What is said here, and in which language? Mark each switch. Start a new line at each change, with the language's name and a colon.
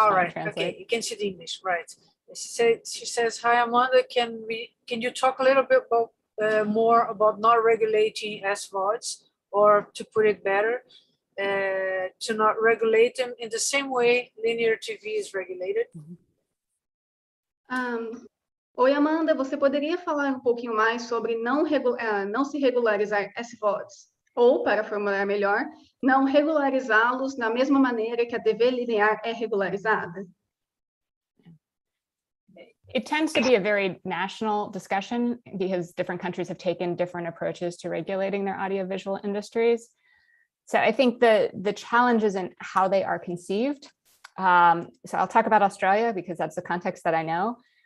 English: all right, okay, you can see the English, right. She says, hi, Amanda, can you talk a little bit about, more about not regulating SVODs, or to put it better, to not regulate them in the same way linear TV is regulated? Mm-hmm.
Portuguese: Oi, Amanda, você poderia falar um pouquinho mais sobre não se regularizar SVODs? Ou, para formular melhor, não regularizá-los na mesma maneira que a TV linear é regularizada?
English: It tends to be a very national discussion because different countries have taken different approaches to regulating their audiovisual industries. So I think the challenge isn't how they are conceived. So I'll talk about Australia because that's the context that I know.